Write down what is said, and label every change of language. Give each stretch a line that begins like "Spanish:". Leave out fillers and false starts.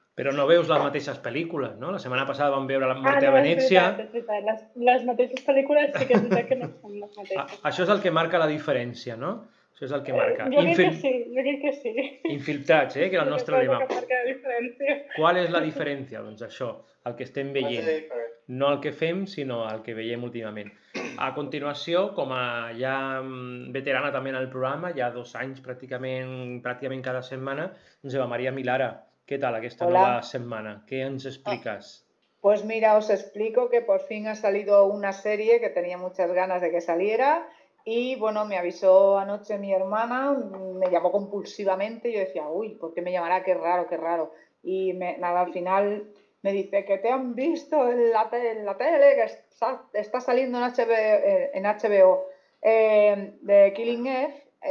Catalan: Però no veus les mateixes pel·lícules, no? La setmana passada vam veure La Morte a Venècia... Les mateixes pel·lícules sí que és veritat que no són les mateixes. Això és el que marca la diferència, no? Això és el que marca. Jo crec que sí. Infiltrats, que era el nostre lema. Que marca la diferència. Qual és la diferència? Doncs això, el que estem veient. No el que fem, sinó el que veiem últimament. A continuació, com a ja veterana també en el programa, ja dos anys pràcticament cada setmana, doncs Eva Maria Milara. Què tal aquesta Hola. Nova setmana? Què ens expliques?
Spanish: Pues mira, os explico que por fin ha salido una serie que tenía muchas ganas de que saliera y bueno, me avisó anoche mi hermana, me llamó compulsivamente y yo decía, uy, ¿por qué me llamará? Qué raro, qué raro. Y al final me dice que te han visto en la tele, que está saliendo en HBO, de Killing Eve.